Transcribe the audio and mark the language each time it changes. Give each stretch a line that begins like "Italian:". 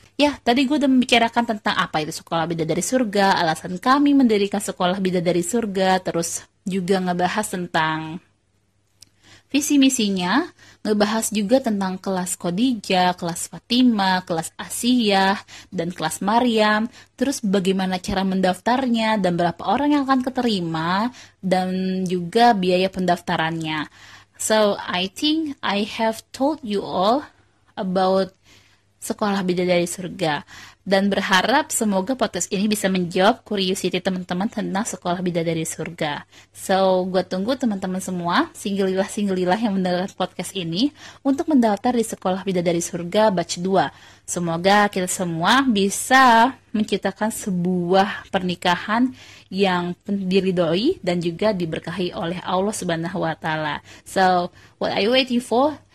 Indonesian: Ya, tadi gue udah membicarakan tentang apa itu Sekolah Bidadari Surga, alasan kami mendirikan Sekolah Bidadari Surga, terus juga ngebahas tentang visi-misinya, ngebahas juga tentang kelas Khodija, kelas Fatima, kelas Asiyah, dan kelas Maryam, terus bagaimana cara mendaftarnya, dan berapa orang yang akan keterima, dan juga biaya pendaftarannya.
English: So, I think I have told you all about Sekolah Bidadari Surga.
Indonesian: Dan berharap semoga podcast ini bisa menjawab curiosity teman-teman tentang Sekolah Bidadari Surga.
English: So,
Indonesian: gue tunggu teman-teman semua, singlelillah-singlelillah yang mendengar podcast ini, untuk mendaftar di Sekolah Bidadari Surga batch 2. Semoga kita semua bisa menciptakan sebuah pernikahan yang diridhoi dan juga diberkahi oleh Allah Subhanahu wa Ta'ala.
English: So, what are you waiting for?